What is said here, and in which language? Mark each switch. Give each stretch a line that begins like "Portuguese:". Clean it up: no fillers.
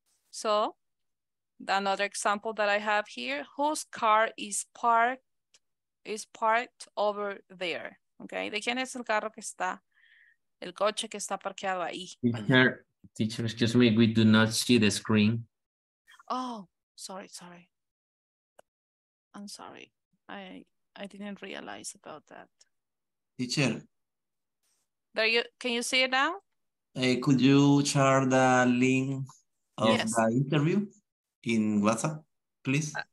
English: So another example that I have here, whose car is parked over there, okay?
Spanish: ¿De quién es el carro que está, el coche que está parqueado ahí?
English: Teacher, excuse me, we do not see the screen. Oh, sorry. I'm sorry. I didn't realize about that. Teacher. Can you see it now? Could you share the link of the interview in WhatsApp, please?